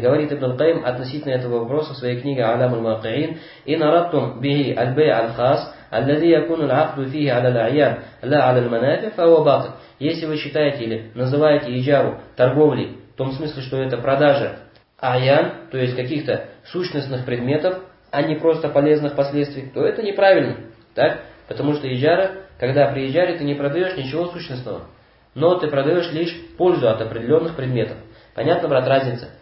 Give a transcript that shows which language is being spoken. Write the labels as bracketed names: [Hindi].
[Russian] Говорит ابن القيم относительно этого вопроса в своей книге أعلام المواقعين. [Arabic] إن أردتم به البيع الخاص الذي يكون العقد فيه على الأعيان لا على المنافع فهو باطل. [Russian] Если вы считаете или называете иджару торговлей, в том смысле, что это продажа аян, то есть каких-то сущностных предметов, а не просто полезных последствий, то это неправильно. Так? Потому что иджара, когда при иджаре ты не продаешь ничего сущностного, но ты продаешь лишь пользу от определенных предметов. Понятно, брат, разница?